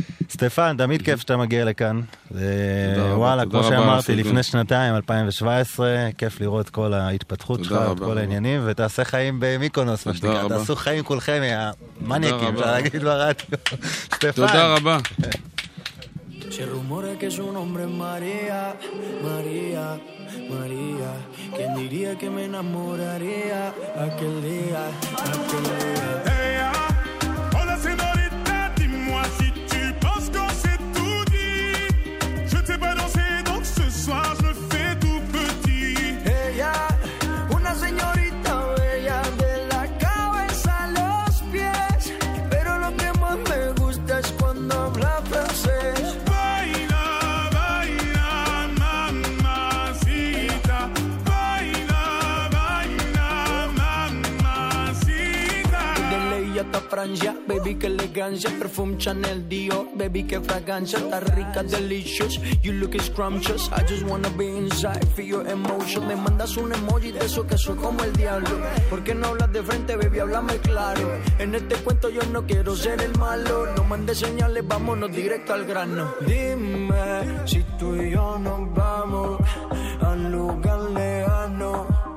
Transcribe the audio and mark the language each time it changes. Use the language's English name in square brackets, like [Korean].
[Hebrew] סטפן, תמיד כיף שאתה מגיע לכאן. וואלה, כמו שאמרתי, לפני שנתיים, 2017, כיף לראות כל ההתפתחות שלך, את כל העניינים, ותעשה חיים במיקונוס, מה שנקרא. תעשו חיים כולכם, המניקים, אפשר להגיד ברדיו. סטפן. תודה רבה. [Spanish] Se rumora que su nombre es María, María, María. ¿Quién diría que me enamoraría aquel día, aquel día? Ella, hola señorita, [French] dis-moi si tu penses que c'est tout dit. Je t'ai pas dansé, donc ce soir je fais tout petit. [Spanish] Ella, una señorita bella, de la cabeza a los pies. Pero lo que más me gusta es cuando habla francés. Baila, baila, mamacita. Baila, baila, mamacita. De ley ganja, baby, que elegancia. Perfume Chanel Dior, baby, que fragancia. Está rica, [English] delicious, you look scrumptious. I just wanna be inside, feel your emotion. [Spanish] Me mandas un emoji de eso que soy como el diablo. ¿Por qué no hablas de frente, baby? Háblame claro. En este cuento yo no quiero ser el malo. No mandes señales, vámonos directo al grano. Dime si tú y yo nos vamos al lugar lejano.